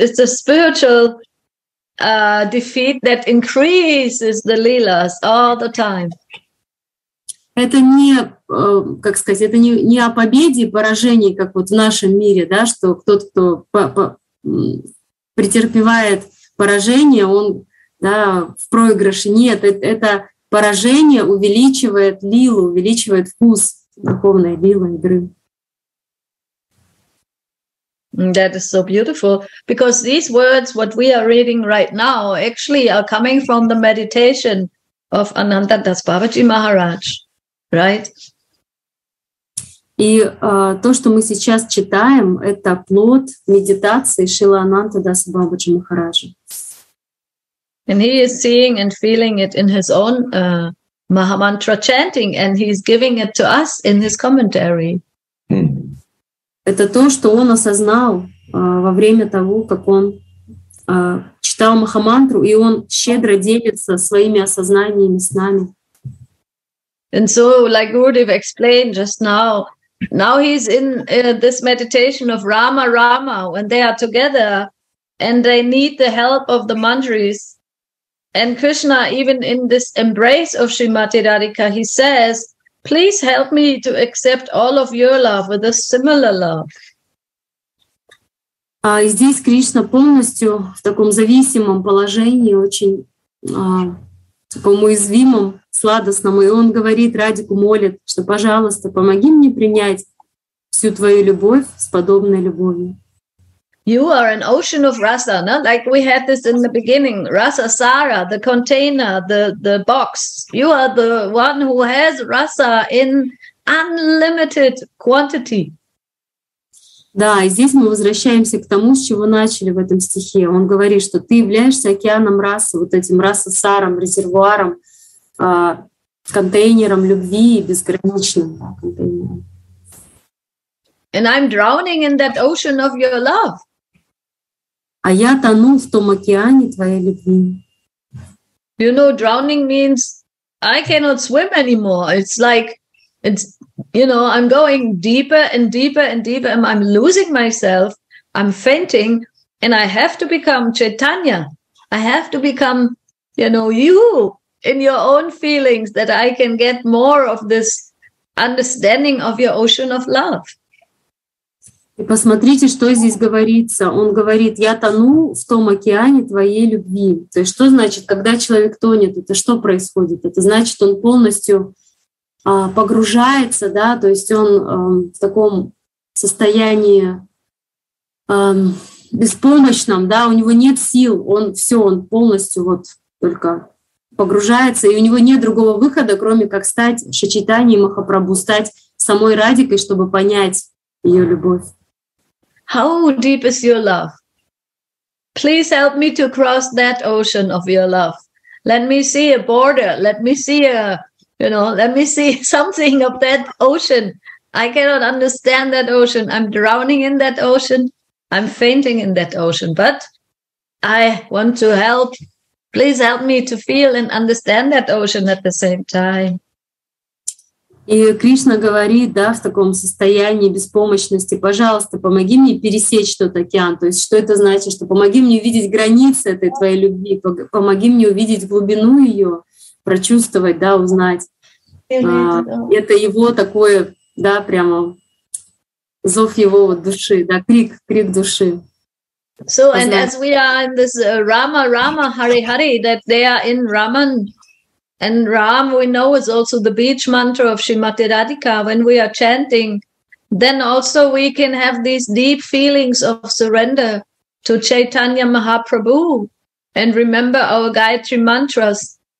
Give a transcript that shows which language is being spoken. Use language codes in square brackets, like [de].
[en] It's a spiritual defeat that increases the lilas all the time. [ru] Это не, как сказать, это не о победе и поражении, как вот в нашем мире, да, что тот, кто претерпевает поражение, он, да, в проигрыше. Нет, это поражение увеличивает лилу, увеличивает вкус духовной лилы игры. [en] That is so beautiful, because these words, what we are reading right now, actually are coming from the meditation of Ananda Das Babaji Maharaj, right? [ru] И то, что мы сейчас читаем, это плод медитации Шрила Ананда Даса Бабаджи Махараджа. [en] And he is seeing and feeling it in his own Mahamantra chanting, and he is giving it to us in his commentary. [ru] Это то, что он осознал во время того, как он читал Махамантру, и он щедро делится своими осознаниями с нами. [en] And so, like Gurudev explained just now, now he's in this meditation of Rama, Rama, when they are together, and they need the help of the mantras. And Krishna, even in this embrace of Srimati Radhika, he says, Please help me to accept all of your love with a similar love. [ru] Здесь Кришна полностью в таком зависимом положении, очень таком уязвимом, сладостном. И он говорит, Радику молит, что, пожалуйста, помоги мне принять всю твою любовь с подобной любовью. [en] You are an ocean of rasa, no? Like we had this in the beginning, rasa sara, the container, the box. You are the one who has rasa in unlimited quantity. [ru] Да, и здесь мы возвращаемся к тому, с чего начали в этом стихе. Он говорит, что ты являешься океаном расы, вот этим раса сарам, резервуаром, контейнером любви безграничным. [en] And I'm drowning in that ocean of your love. [ru] А я тону в том океане твоей любви. [en] You know, drowning means I cannot swim anymore. It's like, it's, you know, I'm going deeper and deeper and deeper, and I'm losing myself, I'm fainting, and I have to become Chaitanya. I have to become, you know, you in your own feelings, that I can get more of this understanding of your ocean of love. [ru] И посмотрите, что здесь говорится. Он говорит, я тону в том океане твоей любви. То есть что значит, когда человек тонет, это что происходит? Это значит, он полностью погружается, да, то есть он в таком состоянии беспомощном, да, у него нет сил, он все, он полностью вот только погружается, и у него нет другого выхода, кроме как стать Шачитани Махапрабху, стать самой Радикой, чтобы понять ее любовь. [en] How deep is your love? Please help me to cross that ocean of your love. Let me see a border. Let me see a, you know, let me see something of that ocean. I cannot understand that ocean. I'm drowning in that ocean. I'm fainting in that ocean. But I want to help. Please help me to feel and understand that ocean at the same time. [ru] И Кришна говорит, да, в таком состоянии беспомощности, пожалуйста, помоги мне пересечь тот океан. То есть что это значит? Что помоги мне увидеть границы этой твоей любви, помоги мне увидеть глубину ее, прочувствовать, да, узнать. Это его такое, да, прямо зов его вот души, да, крик, крик души. [en] So, and as we are in this Rama, Rama, Hari, Hari, that they are in Raman, and Ram, we know, is also the beach mantra of Srimati Radhika. When we are chanting, then also we can have these deep feelings of surrender to Chaitanya Mahaprabhu and remember our Gayatri mantras.